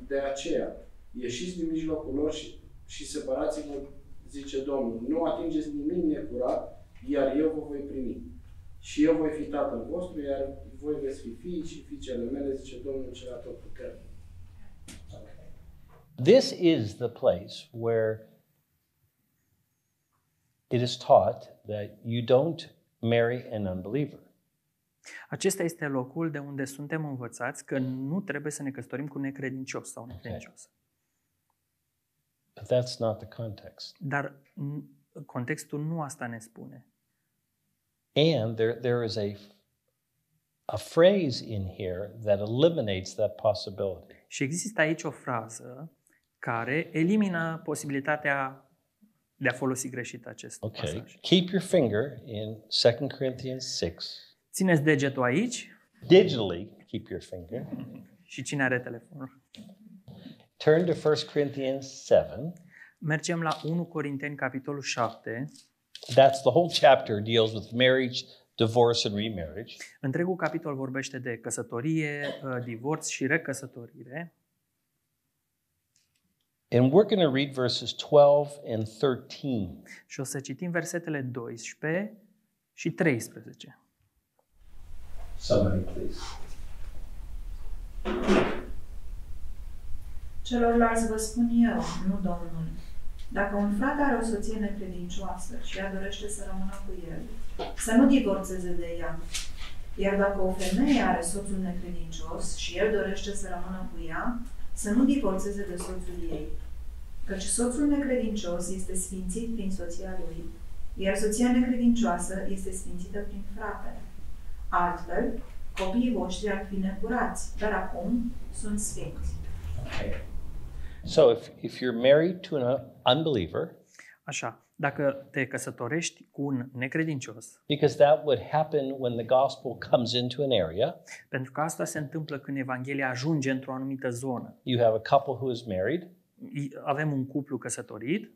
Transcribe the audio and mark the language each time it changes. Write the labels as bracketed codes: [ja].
[ro] De aceea, ieșiți din mijlocul lor și separați-vă, zice Domnul. Nu atingeți nimic necurat, iar eu vă voi primi. Și eu voi fi tatăl vostru, iar voi veți fi fii și fiicele mele, zice Domnul cel Atotputernic. [en] This is the place where it is taught that you don't marry an unbeliever. [ro] Acesta este locul de unde suntem învățați că nu trebuie să ne căsătorim cu necredincios sau necredincios. [en] Okay. But that's not the context. [ro] Dar contextul nu asta ne spune. [en] And there is a phrase in here that eliminates that possibility. [ro] Și există aici o frază care elimină posibilitatea de a folosi greșit acest [en] okay. [ro] pasaj. [en] Keep your finger in 2 Corinthians 6. [ro] Țineți degetul aici. [en] Digitally, keep your finger. [ro] Și cine are telefonul? [en] Turn to 1 Corinthians 7. [ro] Mergem la 1 Corinteni capitolul 7. [en] That's the whole chapter deals with marriage, divorce and remarriage. [ro] Întregul capitol vorbește de căsătorie, divorț și recăsătorire. [en] And we're going to read verses 12 and 13. [ro] Și o să citim versetele 12 și 13. [en] Somebody, please. [ro] Celorlalți vă spun eu, nu Domnul. Dacă un frate are o soție necredincioasă și ea dorește să rămână cu el, să nu divorțeze de ea. Iar dacă o femeie are soțul necredincios și el dorește să rămână cu ea, să nu divorțeze de soțul ei. Căci soțul necredincios este sfințit prin soția lui, iar soția necredincioasă este sfințită prin fratele. Altfel, copiii voștri ar fi necurați, dar acum sunt sfinți. [en] Okay. So if you're married to an unbeliever, [ro] așa, dacă te căsătorești cu un necredincios, [en] because that would happen when the gospel comes into an area, [ro] pentru că asta se întâmplă când Evanghelia ajunge într-o anumită zonă. [en] You have a couple who is married. [ro] Avem un cuplu căsătorit.